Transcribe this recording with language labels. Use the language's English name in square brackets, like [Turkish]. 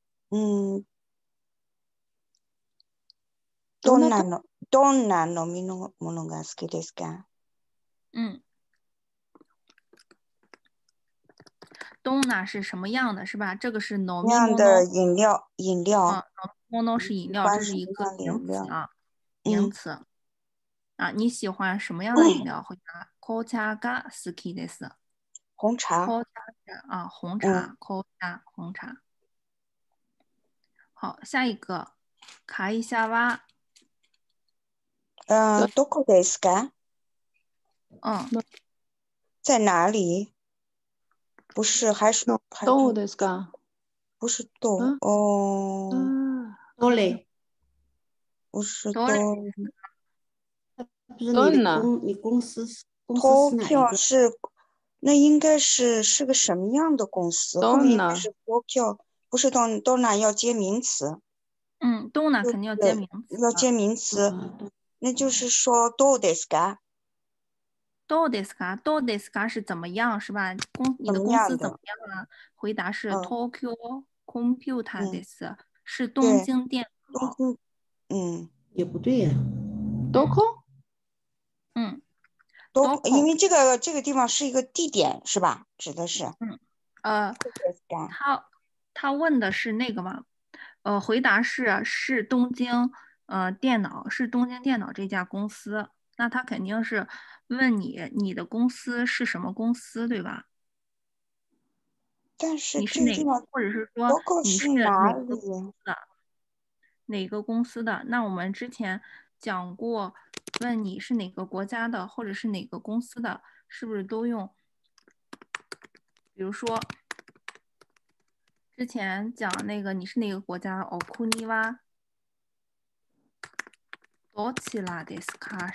[Japanese] 嗯，どんな飲み物が好きですか？ [Chinese] 嗯， [Japanese] どんな [Chinese] 是什么样的，是吧？这个是飲み物。样的饮料，饮料。啊mono 是饮料，这是一个名词啊，嗯、名词啊。你喜欢什么样的饮料？回答 [Japanese] ：Kōcha ga suki desu。 [Chinese] 红茶。 Kōcha啊，红茶。Kōcha、嗯、红茶。好，下一个。 [Japanese] 会社は。どこですか？嗯。 [Chinese] 在哪里？不是，还是 [Japanese] どうですか？ [Chinese] 不是 [Japanese] どう、嗯、哦。嗯 [Chinese] どれ？不是 [Japanese] どれ？ [Chinese] 不是你公司是哪一个？ Tokyo 是，那应该是个什么样的公司？后面是 Tokyo， 不是 Donna 要接名词。嗯 ，Donna 肯定要接名词。要接名词，那就是说 [Japanese] どうですか？どうですか？どうですか？ [Chinese] 是怎么样是吧？你的公司怎么样了？回答是 Tokyo Computer [Japanese] です。 [Chinese] 是东京电脑，嗯，也不对呀、啊。Doko，嗯，Doko， 因为这个地方是一个地点，是吧？指的是，嗯，他问的是那个吗？回答是东京，电脑是东京电脑这家公司，那他肯定是问你的公司是什么公司，对吧？但是你是哪个，或者是说你是哪个公司的？哪个公司的？那我们之前讲过，问你是哪个国家的，或者是哪个公司的，是不是都用？比如说，之前讲那个你是哪个国家？ [Japanese] おくにはどちらですか？